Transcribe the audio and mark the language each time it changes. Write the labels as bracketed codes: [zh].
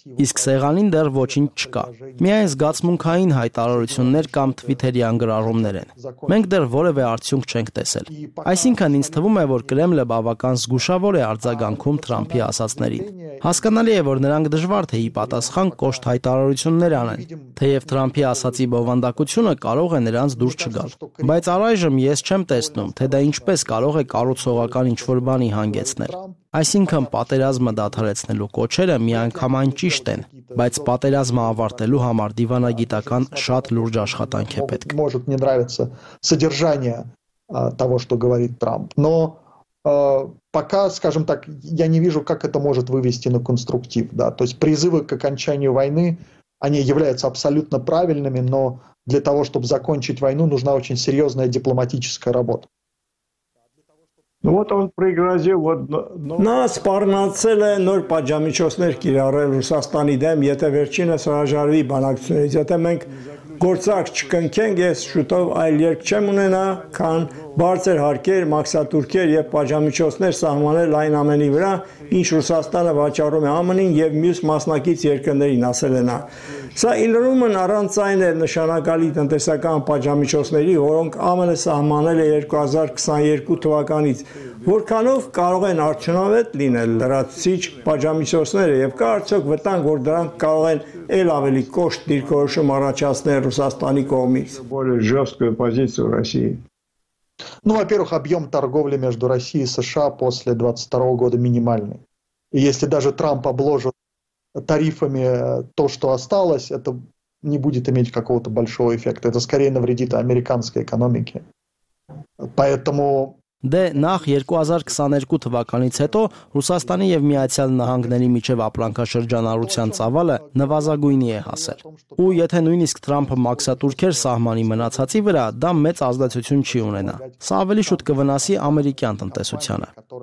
[hy] Իսկ սեղանին դեռ ոչինչ չկա։ Միայն զգացմունքային հայտարարություններ կամ Twitter-յան գրառումներ են։ Մենք դեռ որևէ արդյունք չենք տեսել։ Այսինքն ինձ թվում է, որ Կրեմլը բավական զգուշավոր է արձագանքում Թրամփի ասացներին։ Հասկանալի է, որ նրանք դժվար թե ի պատասխան կոշտ հայտարարություններ անեն, թեև Թրամփի ասացի բովանդակությունը կարող է նրանց դուր չգալ։ Բայց առայժմ ես չեմ տեսնում, թե դա ինչպես կարող է կառուցողական ինչ-որ բանի հանգեցնել։ Այսինքն պատերազմը դադարեցնելու կոչերը միանգամայն ճիշտ են, բայց պատերազմը ավարտելու համար դիվանագիտական շատ լուրջ աշխատանք է պետք։ [ru] Может не нравится содержание того, что говорит Трамп, но пока, скажем так, я не вижу, как это может вывести на конструктив, да. То есть призывы к окончанию войны, они являются абсолютно правильными, но для того, чтобы закончить войну, нужна очень серьезная дипломатическая работа. Ну вот он пригрозил вот [hy] нас парнацել է նոր պատժամիջոցներ կիրառել Ռուսաստանի դեմ, եթե վերջինը հրաժարվի բանակցությունից, եթե մենք գործակ չկնքենք, ես շուտով այլ երկ չեմ ունենա, քան բարձր հարկեր, մաքսատուրքեր եւ պատժամիջոցներ սահմանել այն ամենի վրա, ինչ Ռուսաստանը վաճառում է ԱՄՆ-ին եւ մյուս մասնակից երկրներին, ասել է նա։ Սա ինրումն առանց այն է նշանակալի տնտեսական պատժամիջոցների, որոնք ԱՄՆ-ը սահմանել է 2022 թվականից, որքանով կարող են արդյունավետ լինել լրացուցիչ պատժամիջոցները եւ կա արդյոք վտանգ, որ դրանք կարող են այլ ավելի կոշտ դիրքորոշում առաջացնել Ռուսաստանի կողմից։ [ru] Ну, во-первых, объем торговли между Россией и США после 2022 года минимальный. И если даже Трамп обложит тарифами то, что осталось, это не будет иметь какого-то большого эффекта. Это скорее навредит американской экономике. Поэтому... [hy] Դե նախ 2022 թվականից հետո Ռուսաստանի եւ Միացյալ Նահանգների միջև ապրանքաշրջանառության ծավալը նվազագույնի է հասել։ Ու եթե նույնիսկ Թրամփը մաքսատուրքեր սահմանի մնացածի վրա, դա մեծ ազդեցություն չի ունենա։ Սա ավելի շուտ կվնասի ամերիկյան տնտեսությանը։